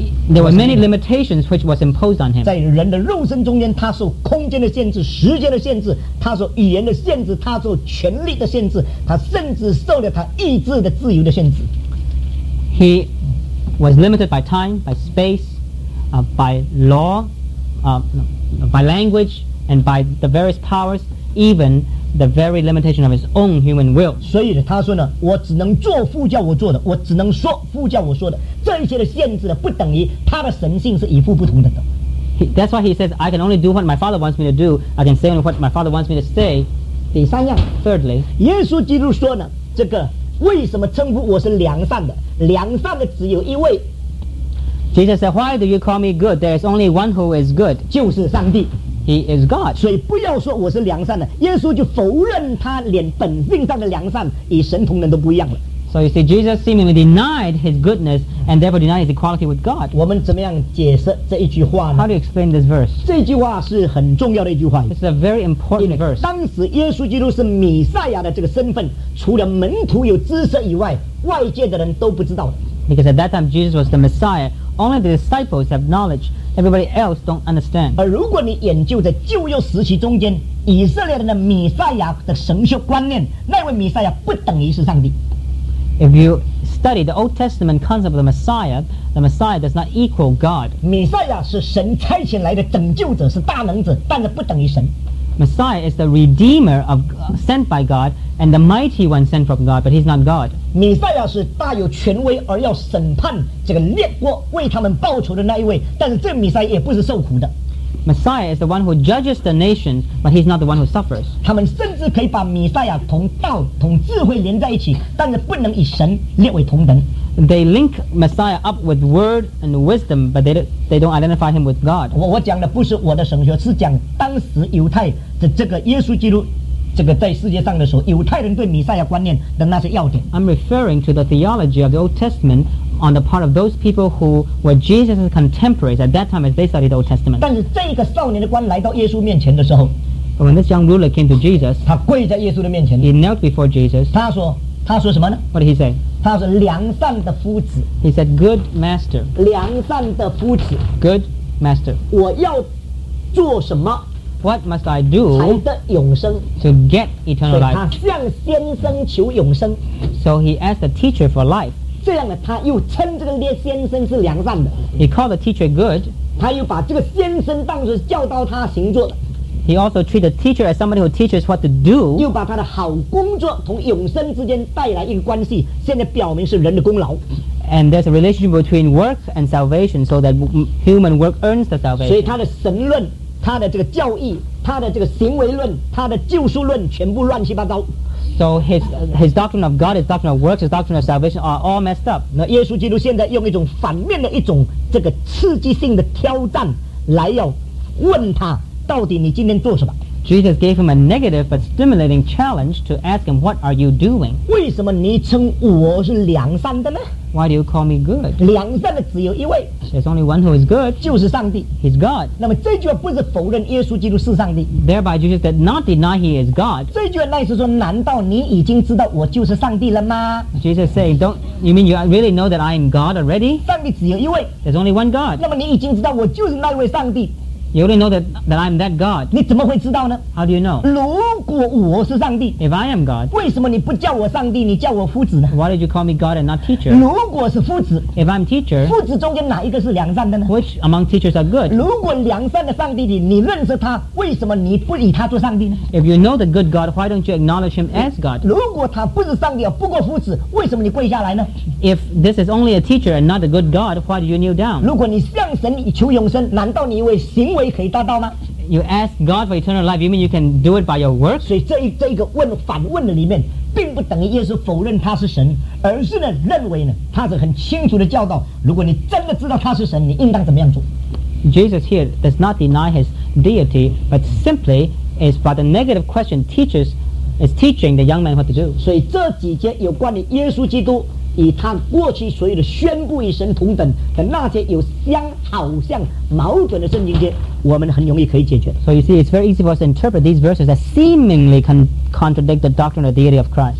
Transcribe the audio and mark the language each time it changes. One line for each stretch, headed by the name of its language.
English: There were many limitations which was imposed on him.
Chinese: 在人的肉身中间，他受空间的限制、时间的限制，他受语言的限制，他受权力的限制，他甚至受了他意志的自由的限制。
English: He was limited by time, by space, by law, by language, and by the various powers. Even the very limitation of his own human will.
Chinese: 所以他说呢，我只能做父叫我做的，我只能说父叫我说的。这一些的限制呢，不等于他的神性是与父不同等的。
English: That's why he says, I can only do what my father wants me to do. I can say only what my father wants me to say.
Chinese: 第三样
English: ，Thirdly,
Chinese: 耶稣基督说呢，这个为什么称呼我是良善的？良善的只有一位。
English: Jesus said, Why do you call me good? There is only one who is good.
Chinese: 就是上帝。
English: He is God.
Chinese: 所以不要说我是良善的，耶稣就否认他连本性上的良善与神同等都不一样了。
English: So you see, Jesus seemingly denied his goodness and therefore denied his equality with God.
Chinese: 我们怎么样解释这一句话呢？
English: How do you explain this verse?
Chinese: 这句话是很重要的一句话。
English: It's a very important verse.
Chinese: 当时耶稣基督是弥赛亚的这个身份，除了门徒有知识以外，外界的人都不知道。
English: Because at that time Jesus was the Messiah, only the disciples have knowledge. Everybody else don't understand.
Chinese: 而如果你研究在旧约时期中间以色列人的弥赛亚的神学观念，那位弥赛亚不等于是上帝。
English: If you study the Old Testament concept of the Messiah does not equal God.
Chinese: 弥赛亚是神差遣来的拯救者，是大能者，但是不等于神。
English: Messiah is the Redeemer of sent by God and the Mighty One sent from God, but he's not God.
Chinese: 弥赛亚是大有权威而要审判这个列国为他们报仇的那一位，但是这个弥赛亚也不是受苦的。
English: Messiah is the one who judges the nations, but he's not the one who suffers.
Chinese: 他们甚至可以把弥赛亚同道、同智慧连在一起，但是不能与神列为同等。
English: They link Messiah up with word and wisdom, but they don't identify him with God.
Chinese: 我讲的不是我的神学，是讲当时犹太的这个耶稣基督这个在世界上的时候，犹太人对弥赛亚观念的那些要点。
English: I'm referring to the theology of the Old Testament on the part of those people who were Jesus' contemporaries at that time as they studied the Old Testament.
Chinese: 但是这个少年的官来到耶稣面前的时候
English: ，But when this young ruler came to Jesus,
Chinese: 他跪在耶稣的面前。
English: He knelt before Jesus.
Chinese: 他说什么呢
English: ？What did he say?
Chinese: 他是良善的夫子。
English: He said, "Good master."
Chinese: 良善的夫子。
English: Good master.
Chinese: 我要做什么
English: ？What must I do?
Chinese: 才得永生
English: ？To get eternal life.
Chinese: 他向先生求永生。
English: So he asked the teacher for life.
Chinese: 这样呢，他又称这个先生是良善的。
English: He called the teacher good.
Chinese: 他又把这个先生当作教导他行作的。
English: He also treated the teacher as somebody who teaches what to do.
Chinese: 又把他的好工作同永生之间带来一个关系，现在表明是人的功劳。
English: And there's a relationship between work and salvation, so that human work earns the salvation.
Chinese: 所以他的神论、他的这个教义、他的这个行为论、他的救赎论，全部乱七八糟。
English: So his doctrine of God, his doctrine of works, his doctrine of salvation are all messed up.
Chinese: 那耶稣基督现在用一种反面的一种这个刺激性的挑战来要问他。到底你今天做什么？
English: Jesus gave him a negative but stimulating challenge to ask him, "What are you doing?"
Chinese: 为什么你称我是良善的呢？
English: Why do you call me good?
Chinese: 良善的只有一位。
English: There's only one who is good.
Chinese: 就是上帝。
English: He's God.
Chinese: 那么这句话不是否认耶稣基督是上帝。
English: Thereby Jesus did not deny he is God.
Chinese: 这句话那是说，难道你已经知道我就是上帝了吗？
English: Jesus saying, "Don't you mean you really know that I am God already?"
Chinese: 上帝只有一位。
English: There's only one God.
Chinese: 那么你已经知道我就是那位上帝。
English: You only know that I'm that God.
Chinese: 你怎么会知道呢？
English: How do you know?
Chinese: 如果我是上帝，
English: If I am God,
Chinese: 为什么你不叫我上帝，你叫我夫子呢？
English: Why did you call me God and not teacher?
Chinese: 如果是夫子，
English: If I'm teacher,
Chinese: 夫子中间哪一个是良善的呢？
English: Which among teachers are good?
Chinese: 如果良善的上帝里你认识他，为什么你不以他做上帝呢？
English: If you know the good God, why don't you acknowledge him as God?
Chinese: 如果他不是上帝，不过夫子，为什么你跪下来呢？
English: If this is only a teacher and not a good God, why do you kneel down?
Chinese: 如果你向神求永生，难道你以为行为可以达到吗？
English: you ask God for eternal life, you mean you can do it by your work?
Chinese: 所以这个问反问的里面，并不等于耶稣否认他是神，而是呢认为呢他是很清楚的教导，如果你真的知道他是神，你应当怎么样做。
English: Jesus here does not deny his deity, but simply is by the negative question teaches, is teaching the young man what to do.
Chinese: 所以这几节有关于耶稣基督与他过去所有的宣布与神同等的那些有相好像矛盾的圣经节，我们很容易可以解决。
English: So you see, it's very easy for us to interpret these verses that seemingly contradict the doctrine of the deity of Christ.